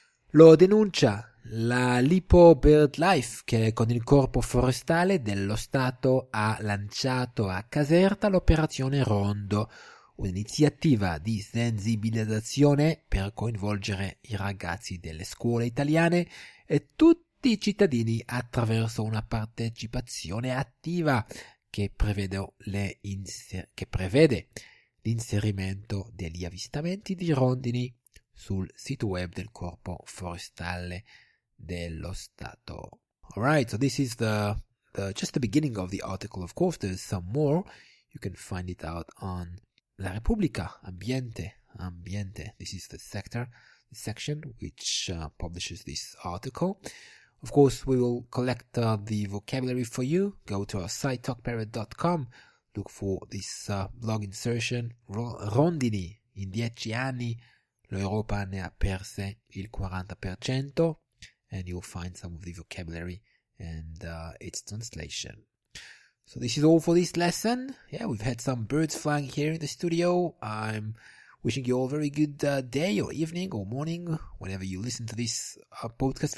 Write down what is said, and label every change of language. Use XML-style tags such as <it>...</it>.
<it>Lo denuncia la Lipo BirdLife, che con il Corpo Forestale dello Stato ha lanciato a Caserta l'operazione Rondo, un'iniziativa di sensibilizzazione per coinvolgere I ragazzi delle scuole italiane e tutti I cittadini attraverso una partecipazione attiva che prevede l'inserimento degli avvistamenti di rondini sul sito web del Corpo Forestale dello Stato.</it> <en>All right, so this is just the beginning of the article. Of course, there's some more. You can find it out on La Repubblica, Ambiente. This is the section which publishes this article. Of course, we will collect the vocabulary for you. Go to our site, talkparrot.com. Look for this blog insertion.</en> <it>Rondini, in 10 anni, l'Europa ne ha perse il 40%.</it> <en>And you'll find some of the vocabulary and its translation. So this is all for this lesson. Yeah, we've had some birds flying here in the studio. I'm wishing you all a very good day or evening or morning, whenever you listen to this podcast.</en>